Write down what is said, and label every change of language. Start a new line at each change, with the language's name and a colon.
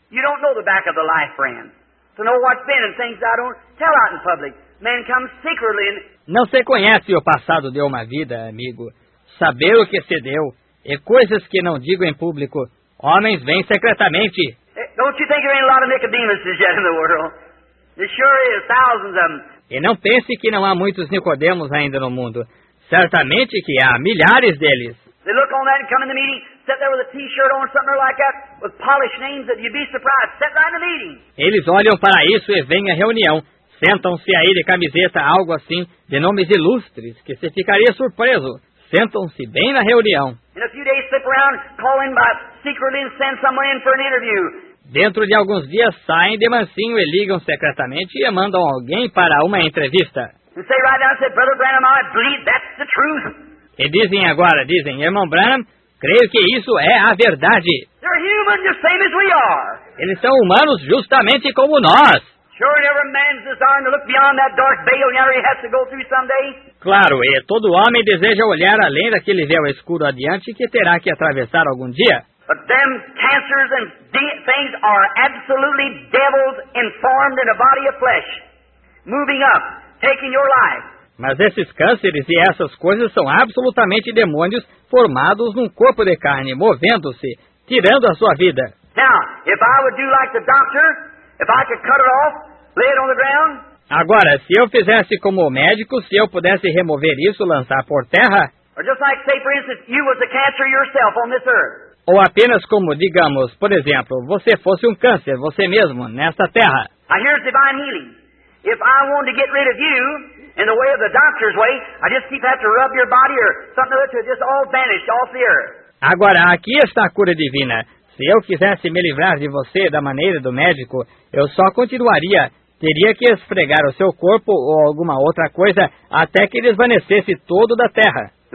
English: You don't know the back of the life, friend. To know what's been and things I don't tell out in public. Man comes secretly and...
Portuguese: Não se conhece o passado de uma vida, amigo. Saber o que se deu, e coisas que não digo em público. Homens vêm secretamente.
English: Don't you think there ain't a lot of Nicodemuses yet in the world? There sure is, thousands of them.
Portuguese: E não pense que não há muitos Nicodemos ainda no mundo. Certamente que há milhares deles.
English: They look on that and come in the meeting, sit there with a t-shirt on, something like that, with polished names, that you'd be surprised, sit right in the meeting.
Portuguese: Eles olham para isso e vêm à reunião. Sentam-se aí de camiseta, algo assim, de nomes ilustres, que você ficaria surpreso. Sentam-se bem na reunião.
English: In a few days, slip around, call in by secretly and send someone in for an interview.
Portuguese: Dentro de alguns dias, saem de mansinho e ligam secretamente e mandam alguém para uma entrevista.
English: And say right now, say, Brother Branham, I believe that's the truth.
Portuguese: E dizem agora, dizem, Irmão Branham, creio que isso é a verdade.
English: They're human just same as we are.
Portuguese: Eles são humanos justamente como nós.
English: Sure, every man's desire to look beyond that dark veil he has to go through someday.
Portuguese: Claro, e todo homem deseja olhar além daquele véu escuro adiante que terá que atravessar algum dia.
English: But them cancers and things are absolutely devils informed in a body of flesh, moving up, taking your life.
Portuguese: Mas esses cânceres e essas coisas são absolutamente demônios formados num corpo de carne, movendo-se, tirando a sua vida.
English: Now, if I would do like the doctor. If I could cut it off, lay it on the ground.
Portuguese: Agora, se eu fizesse como o médico, se eu pudesse remover isso, lançar por terra.
English: Or just like, say, for instance, you was a cancer yourself on this earth.
Portuguese: Ou apenas como, digamos, por exemplo, você fosse um câncer, você mesmo, nesta terra.
English: Now here's divine healing. If I wanted to get rid of you, in the way of the doctor's way, I just keep having to rub your body or something like that, it just all vanished off the earth.
Portuguese: Agora, aqui está a cura divina. Se eu quisesse me livrar de você da maneira do médico, eu só continuaria. Teria que esfregar o seu corpo ou alguma outra coisa até que desvanecesse todo da terra.